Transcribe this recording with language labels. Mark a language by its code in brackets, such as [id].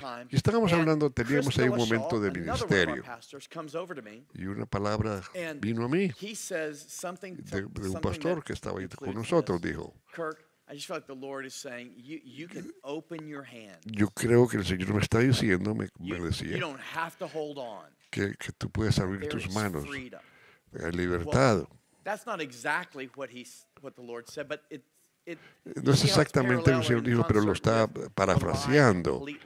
[es] Y estábamos hablando, teníamos ahí un momento de ministerio. Y una palabra vino a mí de un pastor que estaba ahí con nosotros, dijo. [en] I just feel like the Lord is saying, you can open your hands. [es] Yo creo que el Señor me está diciendo, me decía, [en] you don't have to hold on. [es] Que tú puedes abrir [en] there [es] tus manos. [en] Freedom. [es] Hay libertad. [en] Well, that's not exactly what the Lord said, but [es] no es exactamente lo que el Señor dijo, pero lo está parafraseando.